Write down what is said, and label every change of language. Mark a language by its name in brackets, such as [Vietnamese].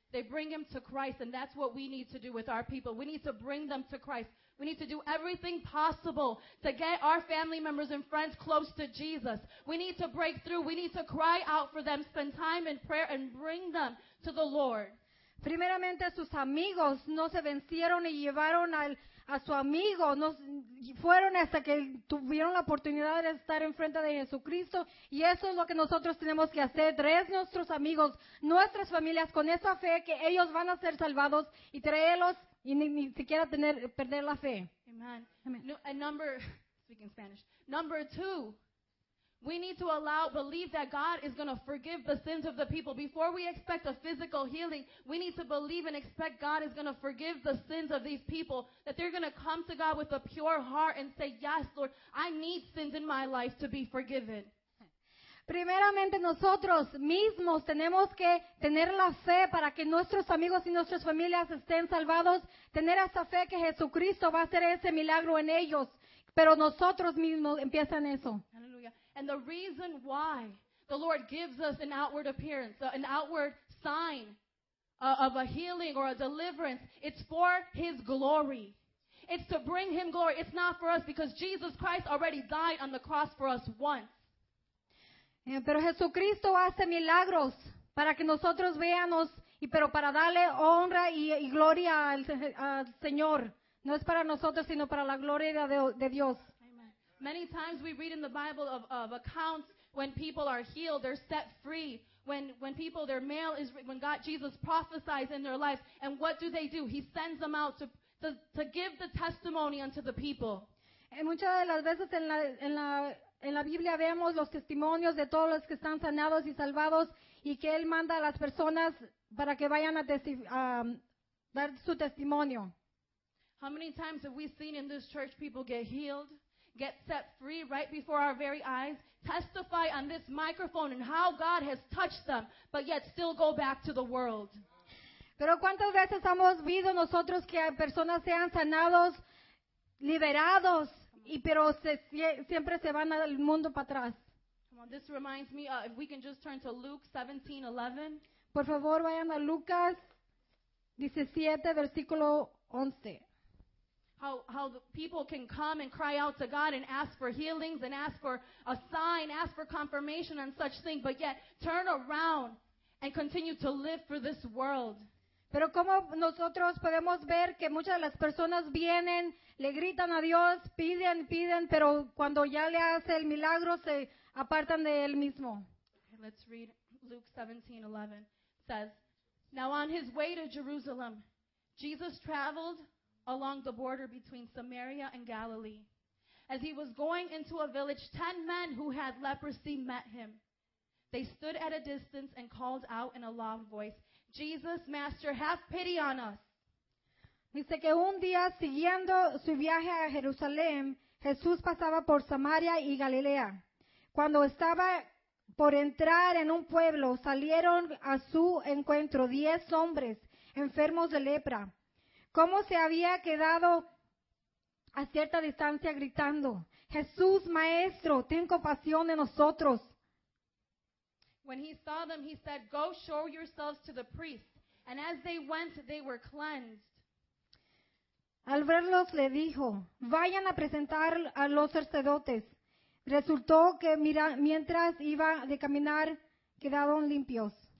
[English] They bring him to Christ, and that's what we need to do with our people. We need to bring them to Christ. We need to do everything possible to get our family members and friends close to Jesus. We need to break through. We need to cry out for them, spend time in prayer, and bring them to the Lord. [Spanish] Primeramente, sus amigos no se vencieron y llevaron a su amigo. No, fueron hasta que tuvieron la oportunidad de estar enfrente de Jesucristo. Y eso es lo que nosotros tenemos que hacer. Traer nuestros amigos, nuestras familias, con esa fe que ellos van a ser salvados y traerlos y ni siquiera perder la fe. [English] Amen. Amen. Speaking Spanish. Number two, we need to believe that God is going to forgive the sins of the people. Before we expect a physical healing, we need to believe and expect God is going to forgive the sins of these people, that they're going to come to God with a pure heart and say, "Yes, Lord, I need sins in my life to be forgiven." [Spanish] Primeramente nosotros mismos tenemos que tener la fe para que nuestros amigos y nuestras familias estén salvados, tener esa fe que Jesucristo va a hacer ese milagro en ellos, pero nosotros mismos empiezan eso. [English] And the reason why the Lord gives us an outward appearance, an outward sign of a healing or a deliverance, it's for his glory. It's to bring him glory. It's not for us, because Jesus Christ already died on the cross for us once. [Spanish] Pero Jesucristo hace milagros para que nosotros veamos, pero para darle honra y gloria al Señor, No es para nosotros, sino para la gloria de Dios. [English] Many times we read in the Bible of accounts when people are healed, they're set free. When people, their mail is, when God, Jesus prophesies in their lives, and what do? He sends them out to give the testimony unto the people. [Spanish] En muchas de las veces en la Biblia vemos los testimonios de todos los que están sanados y salvados, y que Él manda a las personas para que vayan a dar su testimonio. [English] How many times have we seen in this church people get healed? Get set free right before our very eyes, testify on this microphone and how God has touched them, but yet still go back to the world. [Spanish] Pero cuántas veces hemos visto nosotros que personas sean sanados, liberados, y pero siempre se van al mundo para atrás. [English] Come on, this reminds me, if we can just turn to Luke 17:11. [Spanish] Por favor, vayan a Lucas 17, versículo 11. [English] How the people can come and cry out to God and ask for healings and ask for a sign, ask for confirmation and such things, but yet turn around and continue to live for this world. [Spanish] Pero cómo nosotros podemos ver que muchas de las personas vienen, le gritan a Dios, piden, pero cuando ya le hace el milagro, se apartan de él mismo. [English] Okay, let's read Luke 17:11. It says, now on his way to Jerusalem, Jesus traveled along the border between Samaria and Galilee. As he was going into a village, 10 men who had leprosy met him. They stood at a distance and called out in a loud voice, Jesus, Master, have pity on us. [Spanish] Dice que un día, siguiendo su viaje a Jerusalén, Jesús pasaba por Samaria y Galilea. Cuando estaba por entrar en un pueblo, salieron a su encuentro 10 hombres enfermos de lepra. Como se había quedado a cierta distancia gritando, Jesús, Maestro, ten compasión de nosotros. [English] When he saw them, he said, go show yourselves to the priest. And as they went, they were cleansed. [Spanish] Al verlos, le dijo, vayan a presentar a los sacerdotes. Resultó que mientras iba de caminar, quedaron limpios.